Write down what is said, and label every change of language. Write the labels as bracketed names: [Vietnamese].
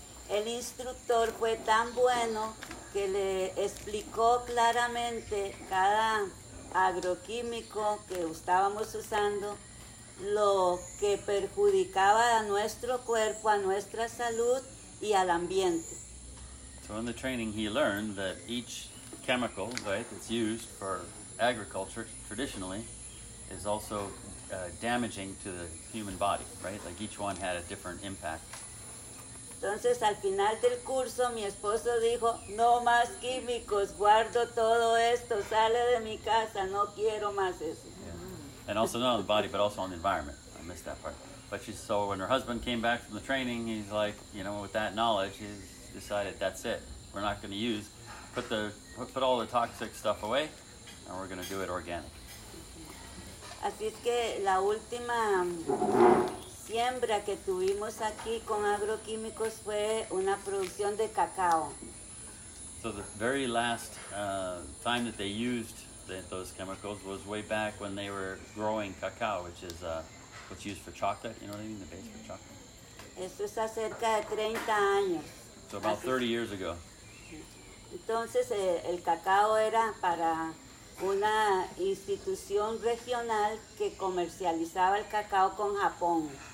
[Spanish] El instructor fue tan bueno que le explicó claramente cada agroquímico que estábamos usando, lo que perjudicaba a nuestro cuerpo, a nuestra salud y al ambiente. [English] So in the training he learned that each chemical, right, that's used for agriculture traditionally is also damaging to the human body, right? Like each one had a different impact. [Spanish] Entonces, al final del curso, mi esposo dijo, no más químicos, guardo todo esto, sale de mi casa, no quiero más eso. [English] Yeah. And also, not on the body, but also on the environment. I missed that part. But she saw, when her husband came back from the training, he's like, you know, with that knowledge, he decided, that's it. We're not going to use, put all the toxic stuff away, and we're going to do it organic. [Spanish] Así es que la última siembra que tuvimos aquí con agroquímicos fue una producción de cacao. [English] So the very last time that they used those chemicals was way back when they were growing cacao, which is what's used for chocolate, you know what I mean, the base for chocolate. [Spanish] Eso es acerca de 30 años. [English] So about 30 years ago. [Spanish] Entonces el cacao era para una institución regional que comercializaba el cacao con Japón.